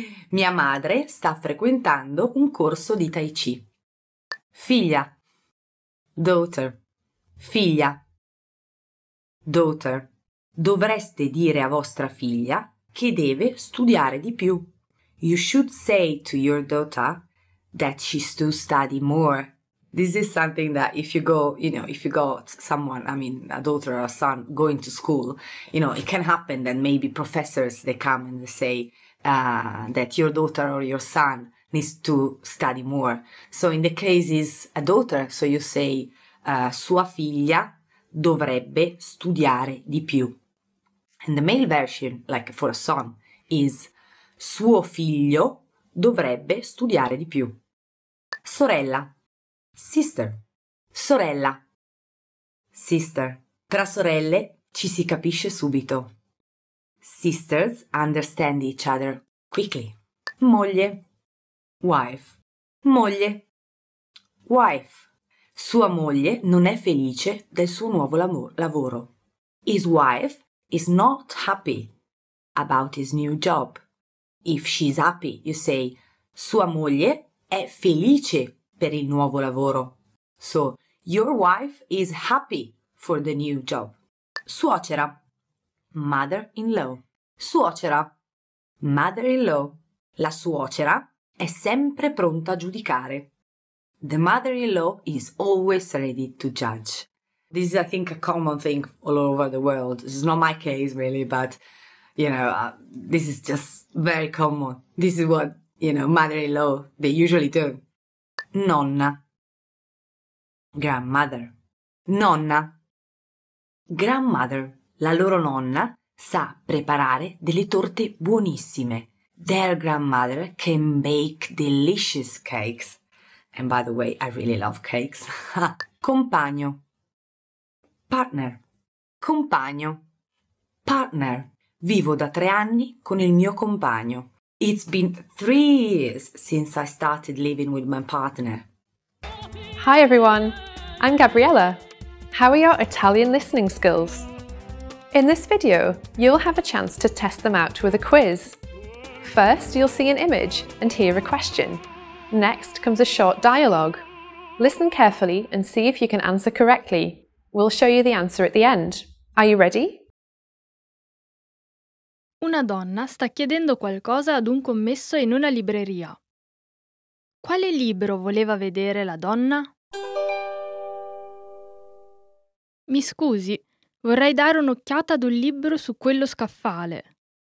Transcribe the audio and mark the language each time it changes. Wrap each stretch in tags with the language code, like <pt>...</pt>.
<it>Mia madre sta frequentando un corso di Tai Chi. Figlia. Daughter. Figlia. Daughter. Dovreste dire a vostra figlia che deve studiare di più.</it> <en>You should say to your daughter that she's to study more. This is something that if you go, you know, if you got someone, I mean, a daughter or a son going to school, you know, it can happen that maybe professors, they come and they say that your daughter or your son needs to study more. So in the case is a daughter, so you say,</en> <it>sua figlia dovrebbe studiare di più.</it> <en>And the male version, like for a son, is</en> <it>suo figlio dovrebbe studiare di più. Sorella. Sister. Sorella. Sister. Tra sorelle ci si capisce subito.</it> <en>Sisters understand each other quickly.</en> <it>Moglie. Wife. Moglie. Wife. Sua moglie non è felice del suo nuovo lavoro.</it> <en>His wife is not happy about his new job. If she's happy, you say,</en> <it>sua moglie è felice per il nuovo lavoro.</it> <en>So, your wife is happy for the new job. Suocera. Mother-in-law. Suocera. Mother-in-law.</en> <it>La suocera è sempre pronta a giudicare.</it> <en>The mother-in-law is always ready to judge. This is, I think, a common thing all over the world. This is not my case, really, but, you know, this is just very common. This is what, you know, mother-in-law, they usually do.</en> <it>Nonna.</it> <en>Grandmother.</en> <it>Nonna.</it> <en>Grandmother.</en> <it>La loro nonna sa preparare delle torte buonissime.</it> <en>Their grandmother can bake delicious cakes. And by the way, I really love cakes.</en> <it>Compagno.</it> <en>Partner.</en> <it>Compagno.</it> <en>Partner.</en> <it>Vivo da 3 anni con il mio compagno.</it> <en>It's been 3 years since I started living with my partner. Hi everyone, I'm Gabriella. How are your Italian listening skills? In this video, you'll have a chance to test them out with a quiz. First, you'll see an image and hear a question. Next comes a short dialogue. Listen carefully and see if you can answer correctly. We'll show you the answer at the end. Are you ready?</en> <it>Una donna sta chiedendo qualcosa ad un commesso in una libreria. Quale libro voleva vedere la donna? Mi scusi, vorrei dare un'occhiata ad un libro su quello scaffale.</it>